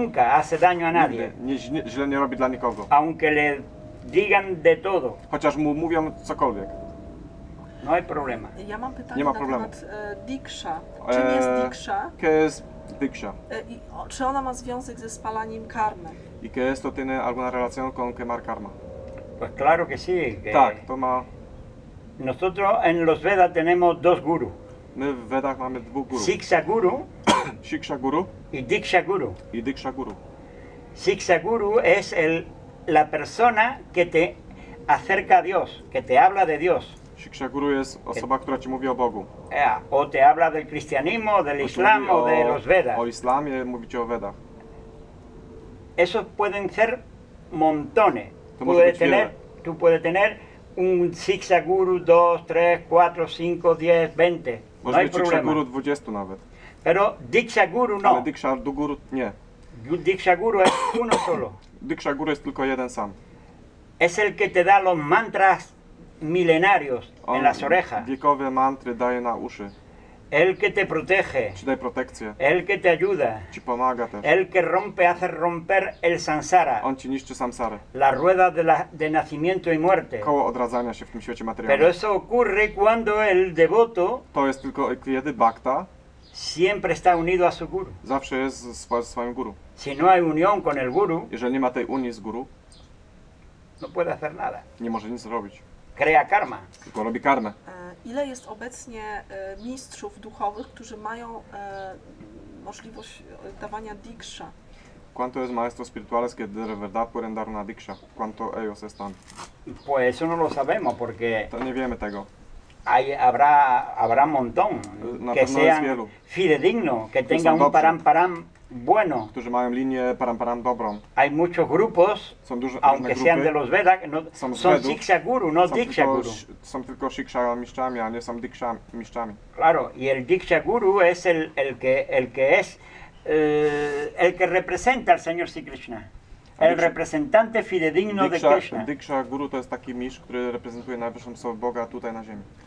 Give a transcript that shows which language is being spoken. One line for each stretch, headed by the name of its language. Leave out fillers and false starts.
Spanish: Nunca hace daño a nadie.
Polish: Nigdy, nie, źle nie robi dla nikogo.
Spanish: Aunque le digan de todo.
Polish: Chociaż mu mówią cokolwiek.
Spanish: No hay problema.
Polish: Ja mam pytanie na temat Diksha. Czym jest Diksha? Czy ona ma związek ze spalaniem karmy?
Spanish: I que esto tiene alguna relación con quemar karma? Pues claro que sí. Que
Polish: tak, to ma...
Spanish: Nosotros en los Vedas tenemos dos gurus.
Polish: My w Vedach mamy dwóch guru.
Spanish: Siksha guru.
Polish: Siksha guru. I Diksha guru. I Diksha guru.
Spanish: Siksha guru es la persona que te acerca a Dios, que te habla de Dios.
Polish: Siksha guru jest osoba, która ci mówi o Bogu.
Spanish: O te habla del cristianismo, del islam, o de los Vedas.
Polish: O islamie mówi ci o Vedach.
Spanish: Eso pueden ser montones. Tú puedes tener un Siksha guru 2, 3, 4, 5, 10, 20.
Polish: Może być Siksha guru 20 nawet.
Spanish: Pero Diksha guru no.
Polish: Ale Diksha guru nie.
Spanish: Diksha guru es uno solo.
Polish: Diksha guru jest tylko jeden sam.
Spanish: Es el que te da los mantras milenarios en las orejas.
Polish: Wiekowe mantry daje na uszy.
Spanish: El que te protege.
Polish: Ci daje protekcję.
Spanish: El que te ayuda.
Polish: Ci pomaga też.
Spanish: El que rompe, hace romper el samsara.
Polish: On ci niszczy samsarę.
Spanish: La rueda de nacimiento y muerte.
Polish: Koło odradzania się w tym świecie materialnym.
Spanish: Pero eso ocurre cuando el devoto.
Polish: To jest tylko kiedy bhakta.
Spanish: Siempre está unido a su guru.
Polish: Zawsze jest ze swoim guru.
Spanish: Si no hay unión con el guru.
Polish: Jeżeli nie ma tej unii z guru.
Spanish: No puede hacer nada.
Polish: Nie może nic zrobić.
Spanish: Crea karma.
Polish: Tylko robi karmę. Ile jest obecnie mistrzów duchowych, którzy mają możliwość dawania diksha?
Spanish: ¿Cuánto es maestros espirituales que de verdad pueden dar una diksha? ¿Cuánto ellos están? Pues eso no lo sabemos porque
Polish: to nie wiemy tego.
Spanish: Habrá montón que sean fidedigno, que tengan un paramparam bueno.
Polish: Którzy mają linię paramparam dobrą.
Spanish: Hay muchos grupos,
Polish: są duże,
Spanish: aunque
Polish: grupy,
Spanish: sean de los Vedas, no, son Siksha guru, no Diksha guru.
Polish: Są tylko Siksha mistrzami, a nie są Diksha mistrzami.
Spanish: Claro, y el Diksha guru es el que representa al señor Sri Krishna. El representante fidedigno de Krishna.
Polish: Diksha guru to jest taki mistrz, który reprezentuje najwyższą osobę Boga tutaj na ziemi.